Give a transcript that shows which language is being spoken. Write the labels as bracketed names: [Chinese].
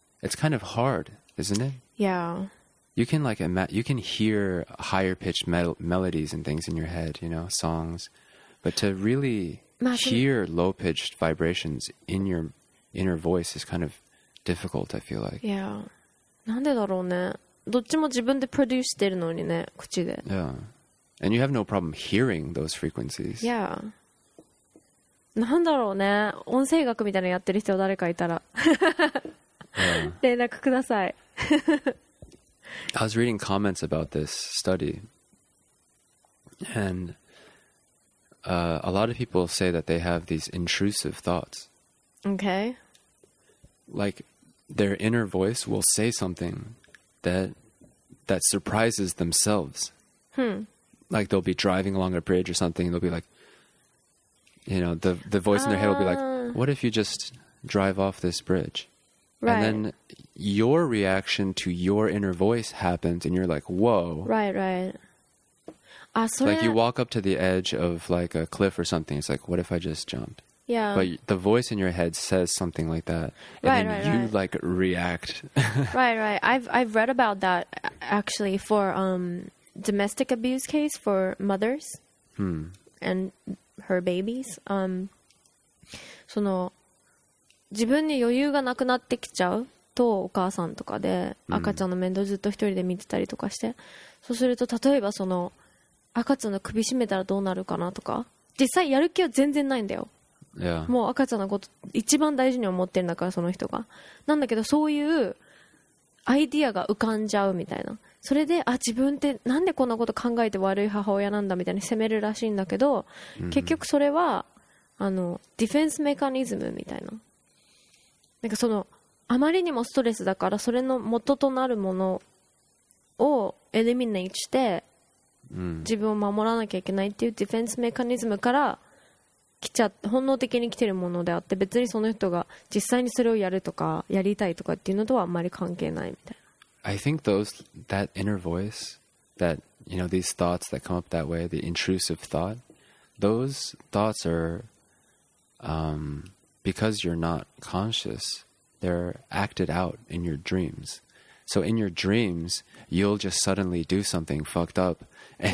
[English] It's kind of hard, isn't it? Yeah. You can like you can hear higher pitched melodies and things in your head, you know, songs. But to really hear low pitched vibrations in your inner voice is kind of difficult, I feel like. Yeah. [Japanese] なんでだろうね。どっちも自分でプロデュースしてるのにね、口で。 [English] Yeah. And you have no problem hearing those frequencies. Yeah. [Japanese] なんだろうね、音声学みたいなのやってる人は誰かいたら連絡ください。 [English] I was reading comments about this study, and a lot of people say that they have these intrusive thoughts. Okay. Like their inner voice will say something that surprises themselves. Like they'll be driving along a bridge or something, they'll be like,You know, the voice in their head will be like, what if you just drive off this bridge? Right. And then your reaction to your inner voice happens and you're like, whoa. Right, right. Like you walk up to the edge of like a cliff or something. It's like, what if I just jumped? Yeah. But the voice in your head says something like that. And right, then right, you right. like react. right, right. I've read about that actually for domestic abuse case for mothers. Hmm. And... her babies、 [Japanese] その自分に余裕がなくなってきちゃうとお母さんとかで赤ちゃんの面倒ずっと一人で見てたりとかして、うん、そうすると例えばその赤ちゃんの首絞めたらどうなるかなとか実際やる気は全然ないんだよ、 [English] yeah. [Japanese] もう赤ちゃんのこと一番大事に思ってるんだからその人がなんだけどそういうアイディアが浮かんじゃうみたいなそれであ自分ってなんでこんなこと考えて悪い母親なんだみたいに責めるらしいんだけど、mm-hmm. 結局それはあのディフェンスメカニズムみたいななんかそのあまりにもストレスだからそれの元となるものをエリミネイトして、 mm-hmm. 自分を守らなきゃいけないっていうディフェンスメカニズムから来ちゃ本能的に来てるものであって別にその人が実際にそれをやるとかやりたいとかっていうのとはあんまり関係ないみたいな [English] I think that inner voice, that, you know, these thoughts that come up that way, the intrusive thought, those thoughts are, because you're not conscious, they're acted out in your dreams. So in your dreams, you'll just suddenly do something fucked up, and